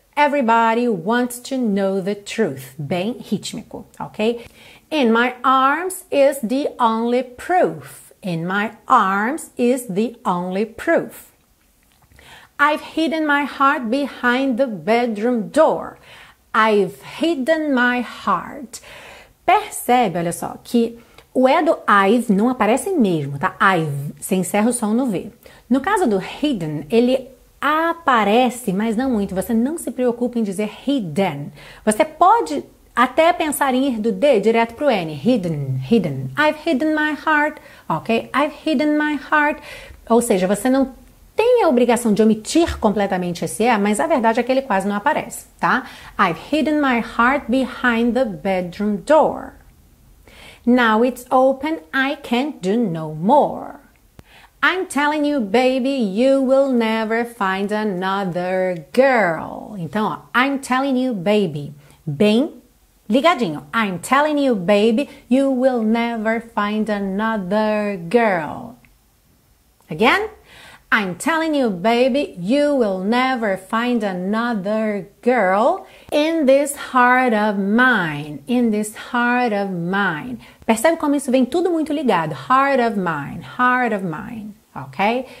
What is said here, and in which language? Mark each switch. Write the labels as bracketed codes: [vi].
[en] Everybody wants to know the truth. [pt] Bem rítmico, [en] ok? In my arms is the only proof. In my arms is the only proof. I've hidden my heart behind the bedroom door. I've hidden my heart. [pt] Percebe, olha só, que o E do I've não aparece mesmo, tá? I've, você encerra o som no V. No caso do hidden, ele aparece, mas não muito. Você não se preocupa em dizer hidden. Você pode até pensar em ir do D direto pro N. [en] Hidden, hidden. I've hidden my heart, ok? I've hidden my heart. [pt] Ou seja, você não tem a obrigação de omitir completamente esse E, mas a verdade é que ele quase não aparece, tá? [en] I've hidden my heart behind the bedroom door. Now it's open, I can't do no more. I'm telling you, baby, you will never find another girl. Então, ó, I'm telling you, baby, [pt] bem ligadinho. [en] I'm telling you, baby, you will never find another girl. Again? I'm telling you, baby, you will never find another girl in this heart of mine, in this heart of mine. [pt] Percebe como isso vem tudo muito ligado, [en] heart of mine, [pt] ok?